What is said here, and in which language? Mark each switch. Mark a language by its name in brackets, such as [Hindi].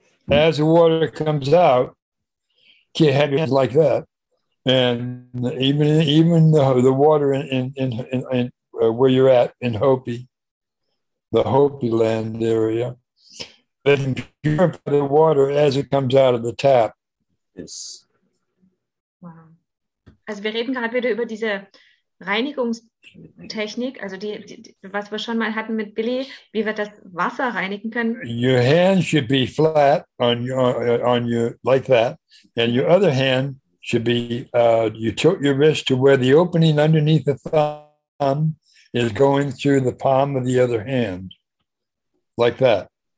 [English] As the water comes out, you can have your hands like that. And even the water in where you're at in Hopi, the Hopi land area, they can purify the water as it comes out of the tap. Yes. [German] Also wir reden gerade wieder über diese Reinigungstechnik, also die was wir schon mal hatten mit Billy, wie wir das Wasser reinigen können. [English] Your hand should be flat on your like that, and your other hand should be you tilt your wrist to where the opening underneath the thumb is going through the palm of the other hand, like that.